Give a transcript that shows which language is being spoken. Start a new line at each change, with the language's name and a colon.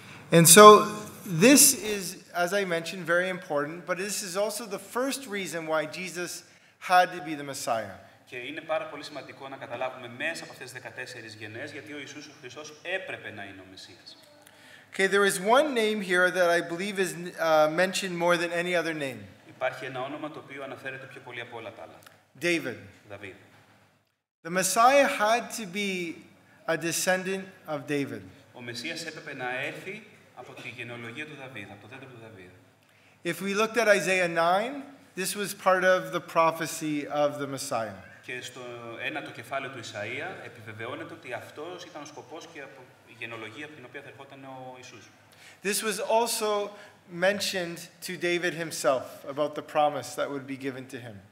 English: And so this is, as I mentioned, very important, but this is also the first reason why Jesus had to be the Messiah.
Greek: Και είναι πάρα πολύ σημαντικό να καταλάβουμε μέσα από αυτές τις 14 γενιές γιατί ο Ιησούς ο Χριστός έπρεπε να είναι ο Μεσσίας.
English: Okay, there is one name here that I believe is mentioned more than any other name.
Greek: Υπάρχει ένα όνομα το οποίο αναφέρεται πιο πολύ από όλα τα άλλα.
English: David.
Greek: David.
English: The Messiah had to be a descendant of David.
Greek: Ο Μεσσίας έπρεπε να έρθει από τη γενεολογία του Δαβίδ, από το δέντρο του Δαβίδ.
English: If we looked at Isaiah 9, this was part of the prophecy of the Messiah.
Greek: Και στο ένατο κεφάλαιο του Ισαΐα επιβεβαιώνεται ότι αυτός ήταν ο σκοπός και από η γενεολογία από την οποία θα ερχόταν ο Ιησούς.
English: This was also mentioned to David himself about the promise that would be given to him.